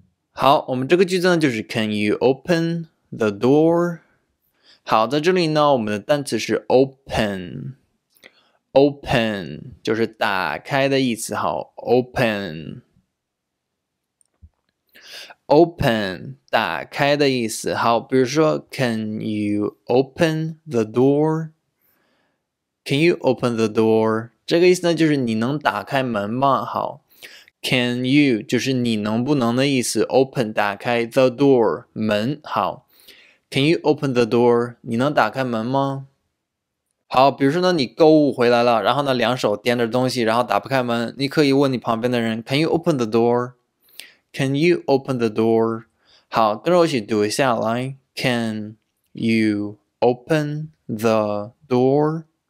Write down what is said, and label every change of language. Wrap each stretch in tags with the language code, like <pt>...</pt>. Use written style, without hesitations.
<zh>好，我们这个句子呢就是</zh> <en>Can you open the door？</en> <zh>好，在这里呢我们的单词是 open。Open 就是打开的意思，好 ，open 打开的意思，好。比如说</zh> <en>，Can you open the door？ Can you open the door？</en> <zh>这个意思呢，就是你能打开门吗？好 ，Can you 就是你能不能的意思 ，open 打开 the door 门，好 ，</zh> <en>Can you open the door？</en> <zh>你能打开门吗？好，比如说呢，你购物回来了，然后呢，两手掂着东西，然后打不开门，你可以问你旁边的人 ，</zh> <en>Can you open the door? Can you open the door?</en> <zh>好，跟着我一起读一下来</zh> <en>，Can you open the door?</en>